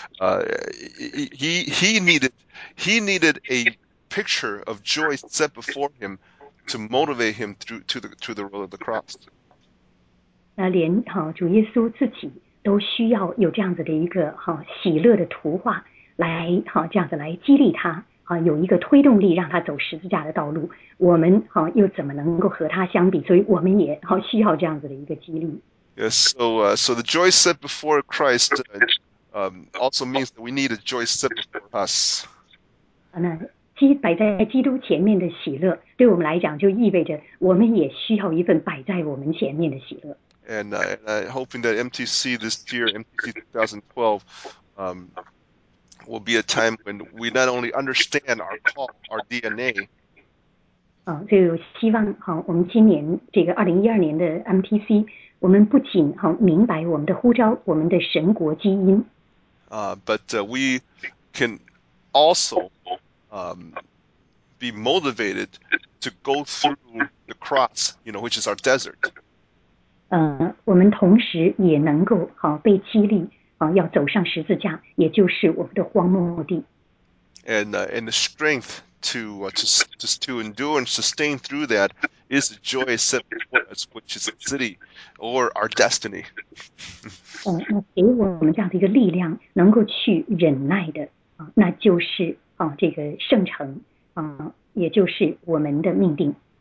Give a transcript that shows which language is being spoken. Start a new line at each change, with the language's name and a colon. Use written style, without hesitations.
English: He needed a picture of joy set before him to motivate him to the road of the cross.
Chinese: 那连主耶稣自己都需要有这样子的一个喜乐的图画来这样子来激励他有一个推动力让他走十字架的道路，我们又怎么能够和他相比？所以我们也需要这样子的一个激励。
English: Yes, so the joy set before Christ also means that we need a joy set before us.
Chinese: 那摆在基督前面的喜乐，对我们来讲就意味着我们也需要一份摆在我们前面的喜乐。
English: And I'm hoping that MTC this year, MTC 2012, will be a time when we not only understand our call, our DNA.
Chinese: 所以我希望我们今年这个2012年的 MTC。我们不仅明白我们的呼召，我们的神国基因。
English: But we can also be motivated to go through the cross, which is our desert.
Chinese: 我们同时也能够被激励要走上十字架，也就是我们的荒漠地。
English: And the strength to endure and sustain through that is the joy set before us, which is the city or our destiny.
Chinese: 那给我们这样的一个力量，能够去忍耐的那就是这个圣城也就是我们的命定。